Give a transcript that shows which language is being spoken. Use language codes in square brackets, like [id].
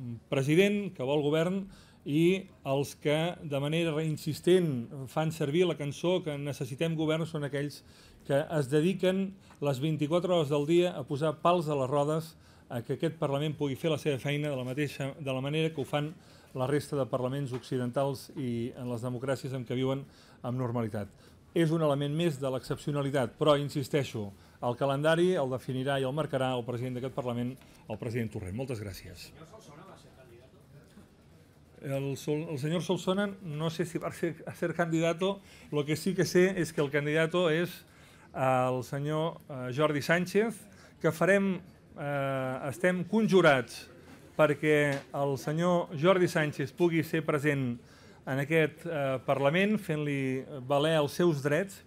[ca] president, que vol govern, i els que de manera insistent fan servir la cançó que necessitem govern són aquells que es dediquen les 24 hores del dia a posar pals a les rodes a que aquest Parlament pugui fer la seva feina de la manera que ho fan la resta de parlaments occidentals i en les democràcies en què viuen amb normalitat. És un element més de l'excepcionalitat, però insisteixo, el calendari el definirà i el marcarà el president d'aquest Parlament, el president Torrent. Moltes gràcies. [es] El señor Solsona no sé si va a ser candidato. Lo que sí que sé es que el candidato es el señor Jordi Sánchez, [ca] que farem, estem conjurats perquè el senyor Jordi Sánchez pugui ser present en aquest Parlament fent-li valer els seus drets.